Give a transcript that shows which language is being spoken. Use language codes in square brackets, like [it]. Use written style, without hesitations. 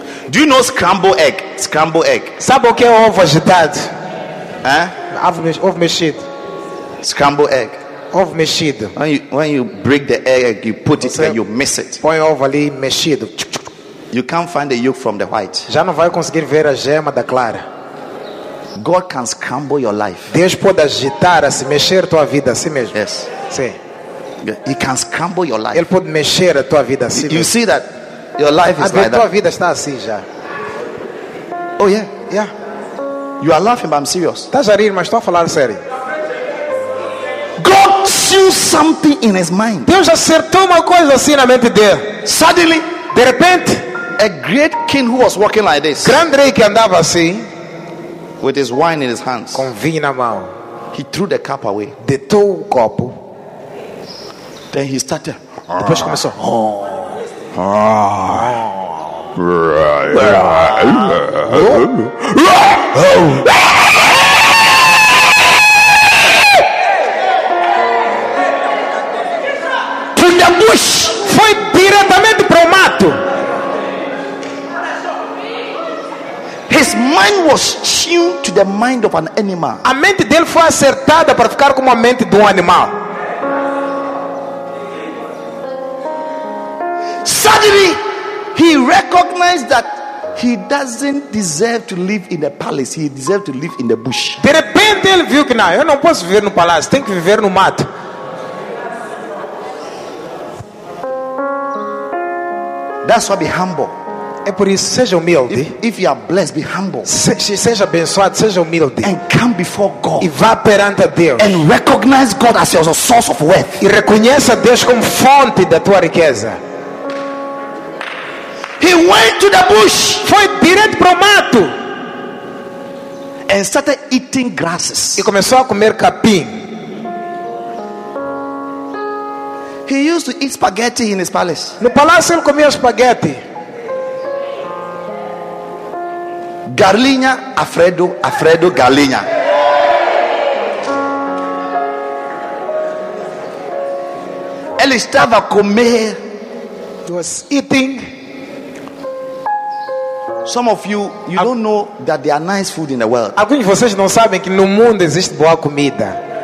[en] Do you know scrambled egg? Scrambled egg. [pt] Sabe o que é ovo agitado? Hã? Ovo mexido. [en] Scrambled egg. [pt] Ovo mexido. [en] When you break the egg, you put it and you miss it. [pt] Põe ovo ali mexido. [en] You can't find the yolk from the white. [pt] Já não vai conseguir ver a gema da clara. [en] God can scramble your life. [pt] Deus pode agitar, assim, mexer tua vida assim mesmo. [en] Yes. [pt] Sim. [en] He can scramble your life. [pt] Ele pode mexer a tua vida assim. [en] You see that? Your life is like that. [pt] Tua vida está assim já. [en] Oh yeah, yeah. You are laughing, but I'm serious. [pt] Estás a rir, mas estou a falar sério. [en] God sees something in his mind. [pt] Deus acertou uma coisa assim na mente dele. [en] Suddenly, [pt] de repente, [en] a great king who was walking like this. [pt] Grande rei que andava assim, [en] with his wine in his hands. [pt] Com vinho na mão. [en] He threw the cup away. [pt] Deitou o copo. [en] Then he started. [pt] Depois começou. [en] To the bush. [pt] Foi diretamente para o mato. [en] His mind was tuned to the mind of an animal. [pt] A mente dele foi acertada para ficar como a mente de um animal. [en] Suddenly, he recognized that he doesn't deserve to live in a palace. He deserves to live in the bush. [pt] De repente ele viu que não, eu não posso viver no palácio, tenho que viver no mato. [en] That's why be humble. [pt] É por isso, seja humilde. [en] If you are blessed, be humble. [pt] Seja abençoado, seja humilde. [en] And come before God. [pt] E vá perante a Deus. [en] And recognize God as your source of wealth. [pt] E reconheça Deus como fonte da tua riqueza. [en] He went to the bush. [pt] Foi direto para o mato. [en] And started eating grasses. [pt] E começou a comer capim. [en] He used to eat spaghetti in his palace. [pt] No palácio ele comia espaguete. Galinha, Alfredo, Alfredo, galinha. Ele estava comendo. [en] Was eating. Some of you don't know that there are nice food in the world. [pt] Alguns de vocês não sabem que no mundo existe boa comida.